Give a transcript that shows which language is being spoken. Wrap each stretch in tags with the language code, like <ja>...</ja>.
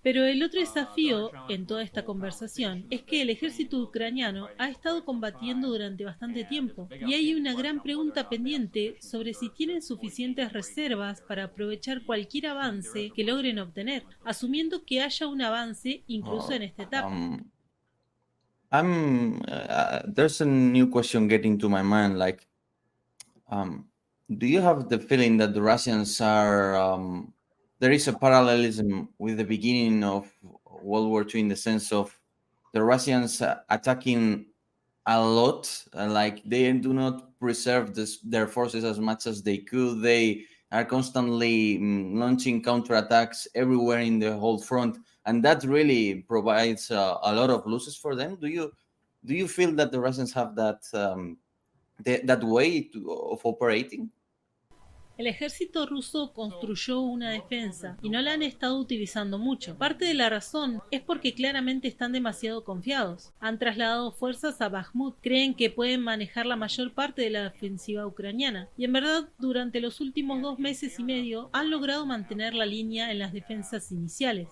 <es>Pero el otro desafío en toda esta conversación es que el ejército ucraniano ha estado combatiendo durante bastante tiempo y hay una gran pregunta pendiente sobre si tienen suficientes reservas para aprovechar cualquier avance que logren obtener. Asumiendo que haya un avance incluso en esta etapa.</es> <en>There's a new question getting to my mind. Do you have the feeling that the Russians are there is a parallelism with the beginning of World War II in the sense of the Russians attacking a lot, like they do not preserve this, their forces as much as they could. They are constantly launching counterattacks everywhere in the whole front, and that really provides a lot of losses for them. Do you feel that the Russians have that that way to, of operating?</en> <es>El ejército ruso construyó una defensa y no la han estado utilizando mucho. Parte de la razón es porque claramente están demasiado confiados. Han trasladado fuerzas a Bakhmut. Creen que pueden manejar la mayor parte de la ofensiva ucraniana. Y en verdad, durante los últimos 2 meses y medio, han logrado mantener la línea en las defensas iniciales.</es>